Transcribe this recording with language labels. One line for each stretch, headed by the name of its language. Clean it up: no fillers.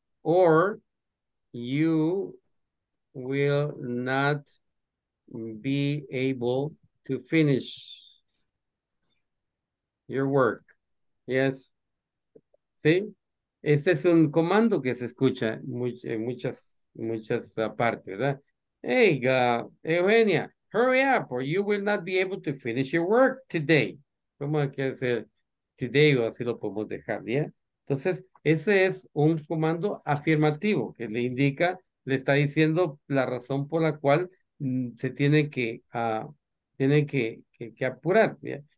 English: Or you will not be able to finish your work. Yes. ¿Sí?
Spanish: Este es un comando que se escucha en muchas partes, ¿verdad?
English: Hey, Eugenia, hurry up or you will not be able to finish your work today.
Spanish: ¿Cómo hay que decir today o así lo podemos dejar, ¿ya? Entonces, ese es un comando afirmativo que le indica, le está diciendo la razón por la cual se tiene que apurar, ¿ya?